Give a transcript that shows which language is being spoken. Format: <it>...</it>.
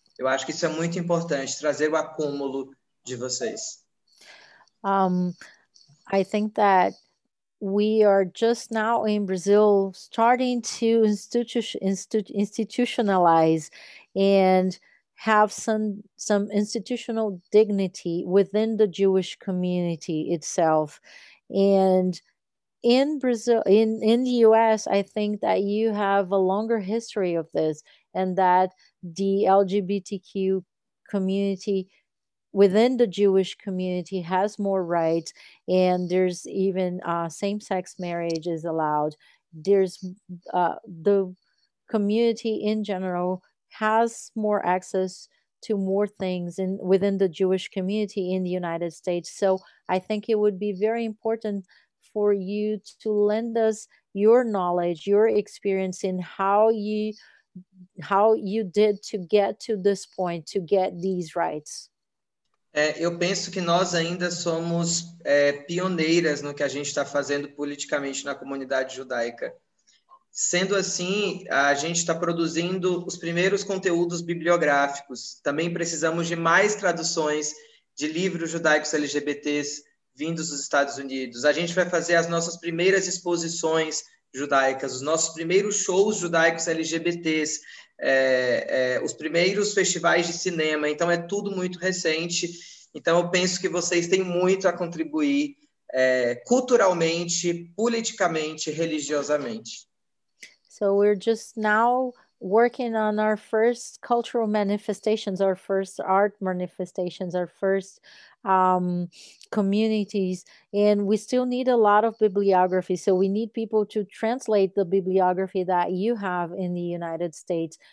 <pt>Eu acho que isso é muito importante, trazer o acúmulo de vocês.</pt> <en>I think that we are just now in Brazil starting to institutionalize and have some institutional dignity within the Jewish community itself. And in Brazil, in the US, I think that you have a longer history of this, and that the LGBTQ community within the Jewish community has more rights, and there's even same-sex marriage is allowed. There's the community in general has more access to more things within the Jewish community in the United States. So I think it would be very important for you to lend us your knowledge, your experience in how you did to get to this point, to get these rights.</en> <pt>Eu penso que nós ainda somos pioneiras no que a gente está fazendo politicamente na comunidade judaica. Sendo assim, a gente está produzindo os primeiros conteúdos bibliográficos. Também precisamos de mais traduções de livros judaicos LGBTs vindos dos Estados Unidos. A gente vai fazer as nossas primeiras exposições judaicas, os nossos primeiros shows judaicos LGBTs, os primeiros festivais de cinema. Então, é tudo muito recente. Então, eu penso que vocês têm muito a contribuir culturalmente, politicamente, religiosamente.</pt> <en>So we're just now working on our first cultural manifestations, our first art manifestations, our first communities, and we still need a lot of bibliography. So we need people to translate the bibliography that you have in the United States.</en>